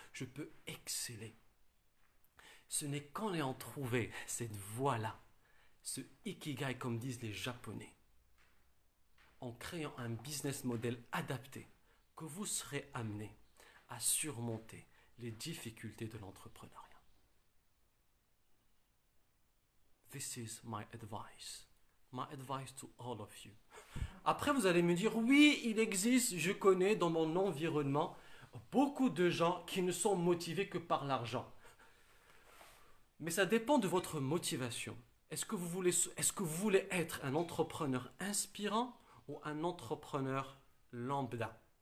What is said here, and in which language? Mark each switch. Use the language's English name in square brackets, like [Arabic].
[French] Je peux exceller. Ce n'est qu'en ayant trouvé cette voie-là, ce ikigai, comme disent les Japonais, en créant un business model adapté, que vous serez amené à surmonter les difficultés de l'entrepreneuriat. [English] This is my advice to all of you. [French] Après, vous allez me dire, oui, il existe, je connais dans mon environnement beaucoup de gens qui ne sont motivés que par l'argent. Mais ça dépend de votre motivation. Est-ce que vous voulez être un entrepreneur inspirant ou un entrepreneur lambda?